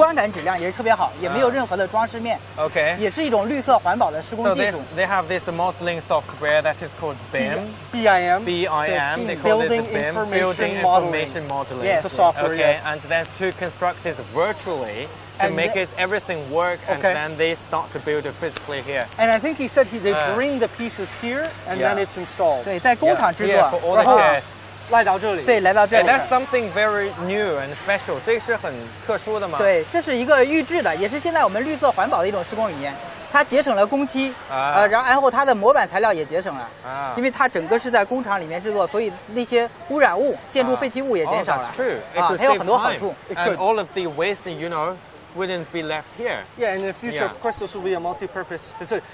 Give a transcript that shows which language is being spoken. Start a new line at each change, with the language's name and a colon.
Chinese: 然后拉到现场进行吊装，每块看台都有独立的编号，而且这个观感质量也是特别好，也没有任何的装饰面。
English: OK.
Chinese: 也是一种绿色环保的施工技术。
English: So they have this modeling software that is called BIM. B-I-M. B-I-M. They call this BIM. Building Information Modeling. Yes. It's a software, okay. yes. And then to construct it virtually, to and make it everything work, and then they start to build it physically here. And I think he said they bring the pieces here, and then it's installed.
Chinese: 对，在工厂制作。
English: Yeah, for all the chairs.
Chinese: 来到这里。对，来到这里。
English: That's something very new and special.
Chinese: 这是很特殊的吗？对，这是一个预制的，也是现在我们绿色环保的一种施工理念。它节省了工期，然后它的模板材料也节省了，因为它整个是在工厂里面制作，所以那些污染物、建筑废弃物也减少了。
English: True. It could save time. And all of the waste, you know, wouldn't be left here. Yeah, in the future, of course, this will be a multi-purpose facility.